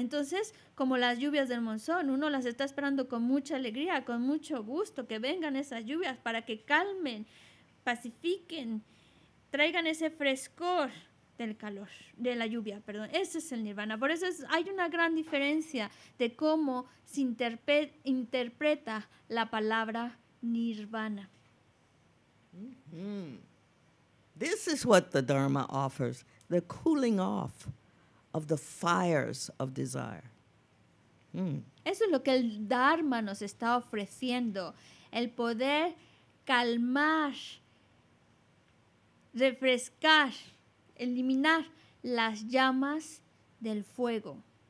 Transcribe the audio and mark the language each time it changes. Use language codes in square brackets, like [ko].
[es] Entonces, como las lluvias del monzón, uno las está esperando con mucha alegría, con mucho gusto, que vengan esas lluvias para que calmen, pacifiquen, traigan ese frescor del calor, de la lluvia, perdón. Ese es el nirvana. Por eso hay una gran diferencia de cómo se interpreta la palabra nirvana. Mm-hmm. [en] This is what the Dharma offers, the cooling off of the fires of desire. [es] Eso es lo que el Dharma nos está ofreciendo, el poder calmar, refrescar, eliminar las llamas del fuego.